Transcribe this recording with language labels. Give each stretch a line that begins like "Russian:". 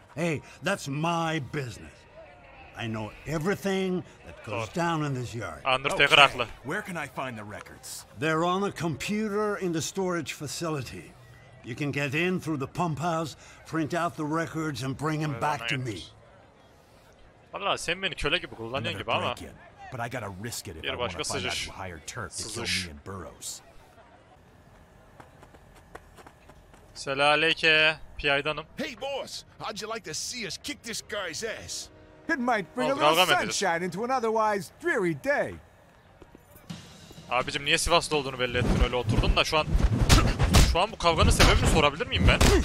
English: Hey, that's my business. I know everything that goes down in this yard.
Turkish: Undertaker haklı. Okay.
English: Where can I find the records? They're on a computer in the storage facility. You can get in through the pump house, print out the records and bring them back to me.
Turkish: Vallahi sen beni köle gibi kullanıyorsun gibi ama.
English: But I gotta risk it if I want to find out who hired Turk to kill me and Burrows.
Turkish: Selaleyke, PI'danım.
English: Hey boss, how'd you like to see us kick this guy's ass? It might bring a little sunshine into an otherwise dreary day.
Turkish: Abicim niye Sivaslı olduğunu belli ettin, öyle oturdun da şu an... Şu an bu kavganın sebebini sorabilir miyim ben?